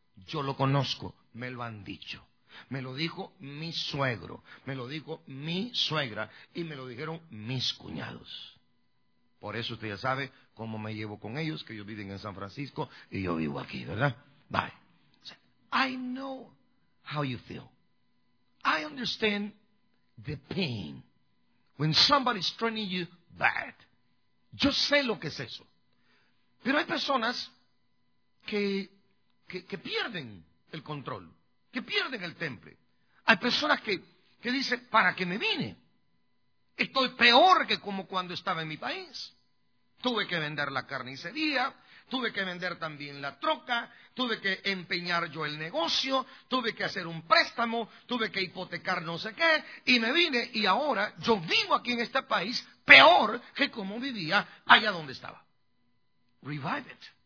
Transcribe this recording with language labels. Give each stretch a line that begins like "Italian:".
Spanish: Yo lo conozco, me lo han dicho. Me lo dijo mi suegro, me lo dijo mi suegra y me lo dijeron mis cuñados. Por eso usted ya sabe cómo me llevo con ellos, que ellos viven en San Francisco y yo vivo aquí, ¿verdad?
English: Bye. I know how you feel. I understand the pain when somebody's treating you bad.
Spanish: Yo sé lo que es eso. Pero hay personas que pierden el control, que pierden el temple. Hay personas que dicen, ¿para qué me vine? Estoy peor que como cuando estaba en mi país. Tuve que vender la carnicería, tuve que vender también la troca, tuve que empeñar yo el negocio, tuve que hacer un préstamo, tuve que hipotecar no sé qué, y me vine, y ahora yo vivo aquí en este país peor que como vivía allá donde estaba.
English: Revive it.